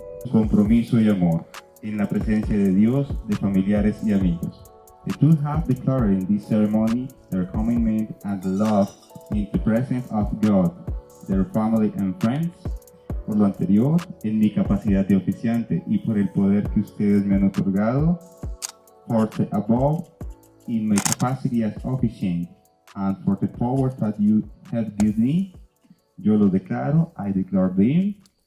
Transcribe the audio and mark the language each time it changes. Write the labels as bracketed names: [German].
[Spanish] Compromiso y amor, en la presencia de Dios, de familiares y amigos. [English] The two have declared in this ceremony their commitment and love in the presence of God, their family and friends. [Spanish] Por lo anterior, en mi capacidad de oficiante y por el poder que ustedes me han otorgado. [English] For the above, in my capacity as officiant, and for the power that you have given me, [Spanish] yo lo declaro, [English] I declare them.